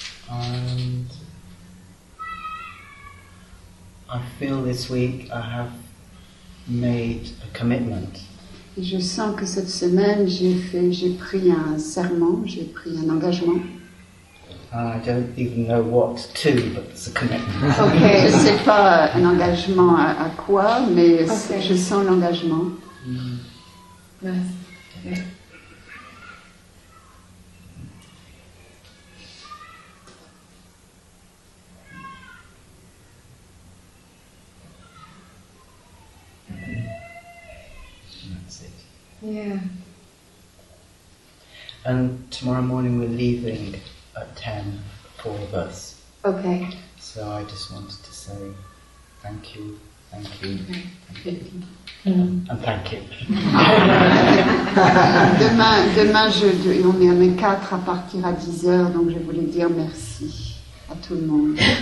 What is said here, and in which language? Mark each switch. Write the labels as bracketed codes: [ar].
[en] And I feel this week I have made a commitment. [fr] Et je sens que cette semaine j'ai pris un serment, j'ai pris un engagement. [en] I don't even know what to, but it's a commitment. [fr] Okay, je sais pas un engagement à quoi, mais okay. Je sens l'engagement. Yeah. [en] And tomorrow morning we're leaving at 10, four of us. Okay. So I just wanted to say thank you, thank you, thank you. [fr] demain, on est à 4 à partir à 10 heures, donc je voulais dire merci à tout le monde.